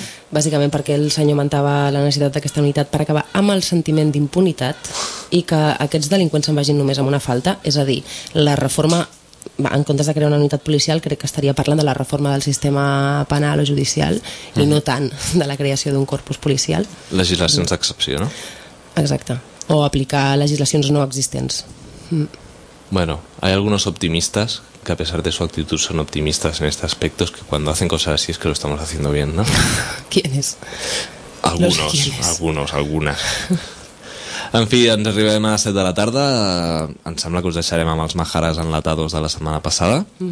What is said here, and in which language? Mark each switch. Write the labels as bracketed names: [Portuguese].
[Catalan] Bàsicament perquè el senyor mentava la necessitat d'aquesta unitat per acabar amb el sentiment d'impunitat i que aquests delinqüents se'n vagin només amb una falta. És a dir, la reforma, en comptes de crear una unitat policial, crec que estaria parlant de la reforma del sistema penal o judicial i no tant de la creació d'un corpus policial. Legislacions d'excepció, no? Exacte. O aplicar legislacions no existents. [Spanish] Bueno, hay algunos optimistas que a pesar de su actitud son optimistas en este aspecto, que cuando hacen cosas así es que lo estamos haciendo bien, ¿no? ¿Quiénes? Algunos, ¿quién algunos, algunas. [Catalan] En fi, ens arribem a les 7 de la tarda. Em sembla que us deixarem amb els Majares enlatados de la setmana passada.